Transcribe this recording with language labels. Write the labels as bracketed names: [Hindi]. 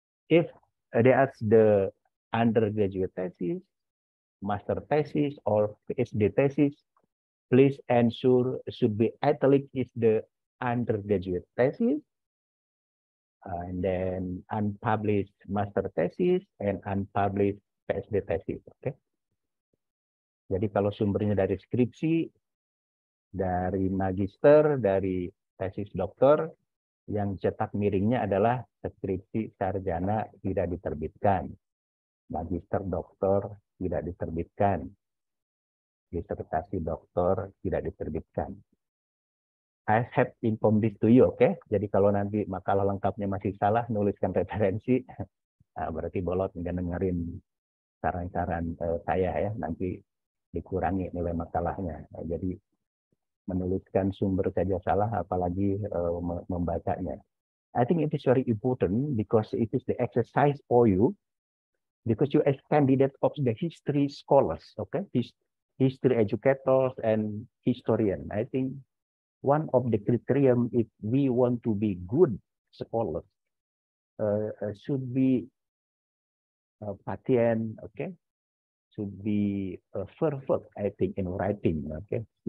[English] If there is the undergraduate thesis, master thesis, or PhD thesis, please ensure should be italic is the undergraduate thesis, and then unpublished master thesis and unpublished PhD thesis, okay? [Indonesian] Jadi kalau sumbernya dari skripsi, dari magister, dari tesis doktor, yang cetak miringnya adalah skripsi sarjana tidak diterbitkan. Magister doktor tidak diterbitkan. Disertasi doktor tidak diterbitkan. [English] I have informed this to you, okay? [Indonesian] Jadi kalau nanti makalah lengkapnya masih salah, nuliskan referensi, nah, berarti bolot nggak dengerin saran-saran saya ya, nanti dikurangi nilai makalahnya. Nah, jadi menuliskan sumber saja salah, apalagi membacanya. [English] I think it is very important because it is the exercise for you, because you as candidate of the history scholars, okay, history educators and historian. I think one of the criterion if we want to be good scholars should be patient, okay, should be fervent, I think, in writing, okay.